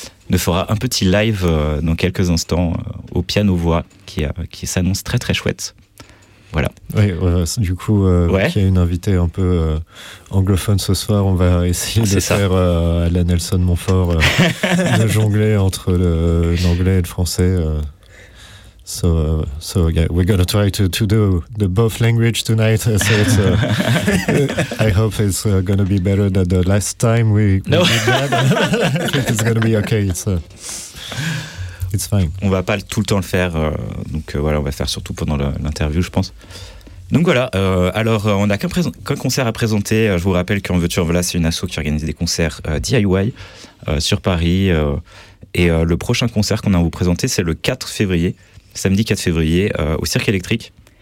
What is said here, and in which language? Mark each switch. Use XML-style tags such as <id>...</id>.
<fr>Ne fera un petit live dans quelques instants au piano-voix qui s'annonce très très chouette. Voilà. Oui, du coup, qui est une invitée un peu anglophone ce soir, on va essayer faire à la Nelson Montfort de jongler entre l'anglais et le français.</fr> <en>So yeah, we're gonna try to do the both language tonight. So it's, I hope it's gonna be better than the last time we did that. It's gonna be okay. It's fine.</en> <fr>On va pas tout le temps le faire. Donc voilà, on va faire surtout pendant l'interview, je pense. Donc voilà. Alors, on n'a qu'un concert à présenter. Je vous rappelle qu'En veux-tu, en voilà, c'est une asso qui organise des concerts DIY sur Paris. Et le prochain concert qu'on a à vous présenter, c'est le 4 février. Samedi 4 février au Cirque Électrique.</fr>